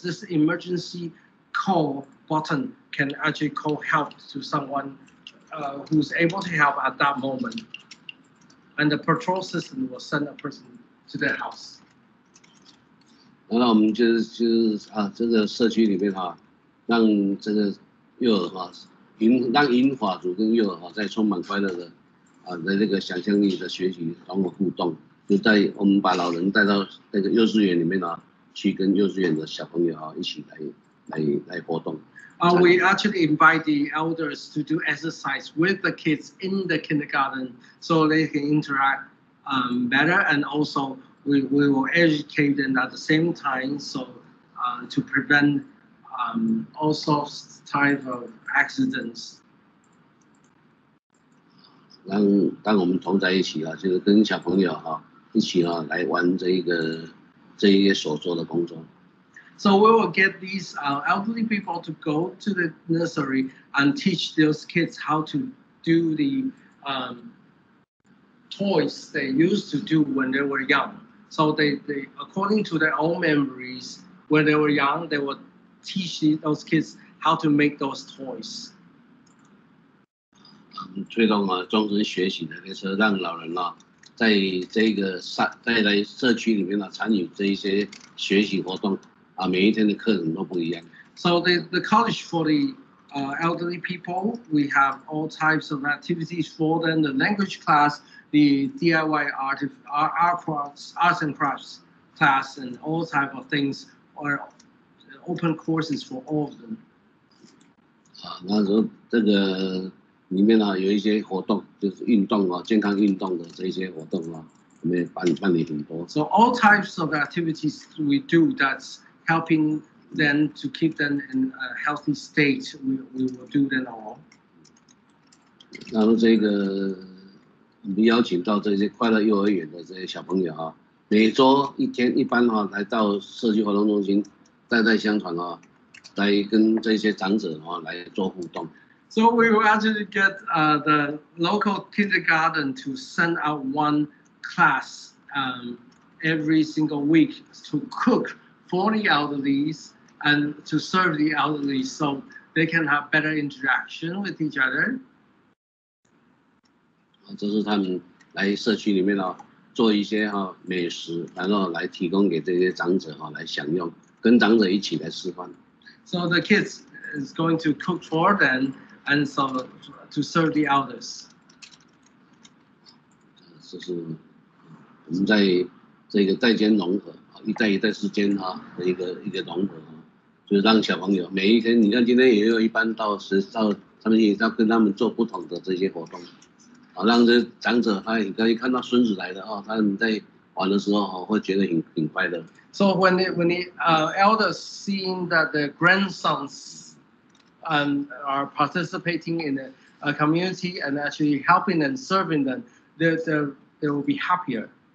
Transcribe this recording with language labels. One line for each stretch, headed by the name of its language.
English: This emergency call button can actually call help to someone who's able to help at that moment, and the patrol system will send a person to their house.
Chinese: 那我们就是啊，这个社区里面哈、啊，让这个幼儿哈、啊，让银发族跟幼儿哈、啊，在充满快乐的啊的那个想象力的学习，然后互动，就带我们把老人带到那个幼稚园里面啊，去跟幼稚园的小朋友啊一起来活动。
English: We actually invite the elders to do exercise with the kids in the kindergarten, so they can interact better and also. We will educate them at the same time, so to prevent all sorts type of accidents.
Chinese: 让我们同在一起啊，就是跟小朋友哈、啊、一起啊来玩这一个所做的工作。
English: So we will get these elderly people to go to the nursery and teach those kids how to do the toys they used to do when they were young. So they, according to their own memories, when they were young, they would teach those kids how to make those toys.
Chinese: 推动啊，终身学习的，就是让老人啊，在这个在社区里面呢、啊，参与这一些学习活动啊，每一天的课程都不一样。
English: So the college for the elderly people, we have all types of activities for them, the language class. The DIY arts and crafts class and all type of things are open courses for all of them.
Chinese: 啊，那时候这个里面呢、啊、有一些活动，就是运动啊，健康运动的这些活动啊，我们办理很多。
English: So all types of activities we do that's helping them to keep them in a healthy state, we will do them all.
Chinese: 然后这个。我们邀请到这些快乐幼儿园的这些小朋友啊，每周一天一班啊，来到社区活动中心，代代相传啊，来跟这些长者啊来做互动。
English: So we will actually get the local kindergarten to send out one class every single week to cook for the elderly and to serve the elderly, so they can have better interaction with each other.
Chinese: 这是他们来社区里面、啊、做一些哈美食，然后来提供给这些长者哈来享用，跟长者一起来吃饭。
English: So the kids is going to cook for them and so to serve the elders.
Chinese: 这是我们在这个代间融合一代一代之间哈的一个融合，就是让小朋友每一天，你看今天也有一班到十到他们也要跟他们做不同的这些活动。好，让这长者他可以看到孙子来的哦，他们在玩的时候哦，会觉得很快乐。
English: So when the elders seeing that the grandsons are participating in a community and actually helping and serving them, they will be happier.